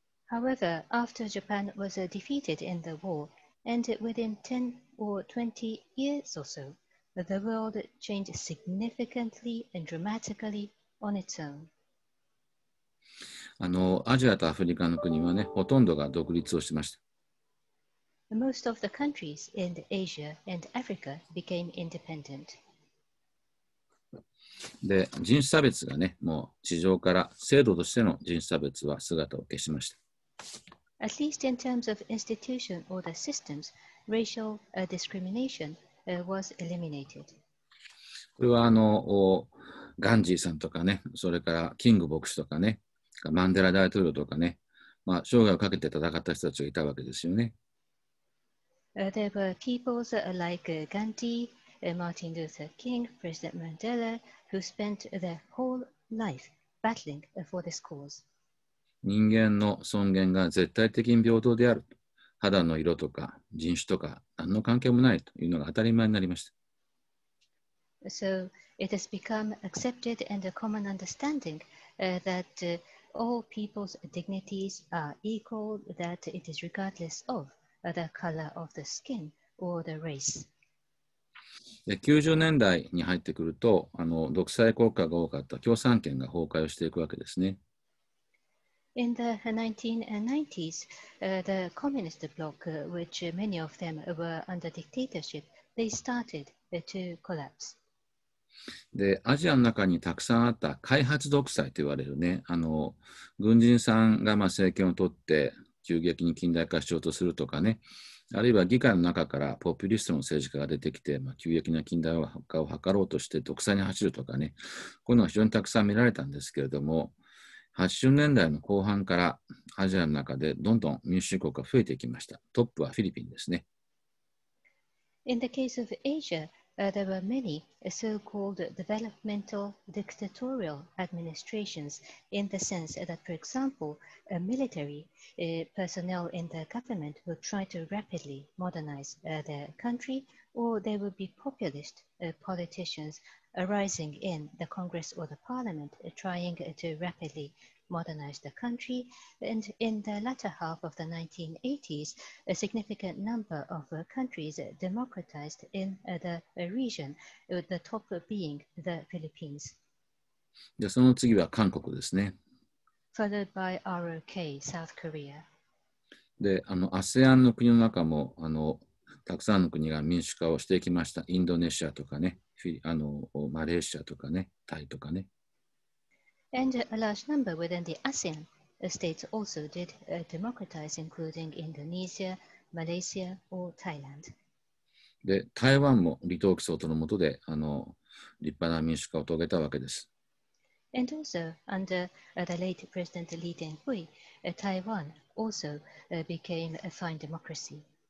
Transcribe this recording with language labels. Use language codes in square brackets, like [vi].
[en] However, after Japan was defeated in the war, and within 10 or 20 years or so, the world changed significantly and dramatically on its own. [ja] アジアとアフリカの国はね、ほとんどが独立をしました。 [en] Most of the countries in Asia and Africa became independent. [ja] で、人種差別がね、もう地上から制度としての人種差別は姿を消しました。 [en] At least in terms of institution or the systems, racial discrimination was eliminated. [ja] これはガンジーさんとかね、それからキング牧師とかね、マンデラ大統領とかね、まあ、生涯をかけて戦った人たちがいたわけですよね。 [en] There were peoples like Gandhi, Martin Luther King, President Mandela, who spent their whole life battling for this cause. [ja] 人間の尊厳が絶対的に平等である。肌の色とか人種とか何の関係もないというのが当たり前になりました。 [en] So it has become accepted and a common understanding that all people's dignities are equal, that it is regardless of the color of the skin or the race. [ja] 90年代に入ってくると、独裁国家が多かった共産圏が崩壊をしていくわけですね。 [en] In the 1990s, the communist bloc, which many of them were under dictatorship, they started to collapse. [ja] で、アジアの中にたくさんあった開発独裁と言われるね、軍人さんがまあ政権を取って急激に近代化しようとするとかね、あるいは議会の中からポピュリストの政治家が出てきて、まあ、急激な近代化を図ろうとして独裁に走るとかね、こういうのは非常にたくさん見られたんですけれども、80年代の後半からアジアの中でどんどん民主主義国が増えていきました。トップはフィリピンですね。 [en] In the case of Asia, there were many so-called developmental dictatorial administrations in the sense that, for example, a military personnel in the government would try to rapidly modernize their country, or there would be populist politicians arising in the Congress or the Parliament trying to rapidly modernize the country. And in the latter half of the 1980s, a significant number of countries democratized in the region, with the top being the Philippines. [ja] じゃあその次は韓国ですね。 [en] Followed by ROK, South Korea. [ja] で、ASEAN の国の中もたくさんの国が民主化をしていきました。インドネシアとかね、マレーシアとかね、タイとかね。 [en] And a large number within the ASEAN states also did democratize, including Indonesia, Malaysia or Thailand. [ja] で、台湾も李登輝総統のもとで立派な民主化を遂げたわけです。 [en] And also under the late President Li Teng-hui, Taiwan also became a fine democracy.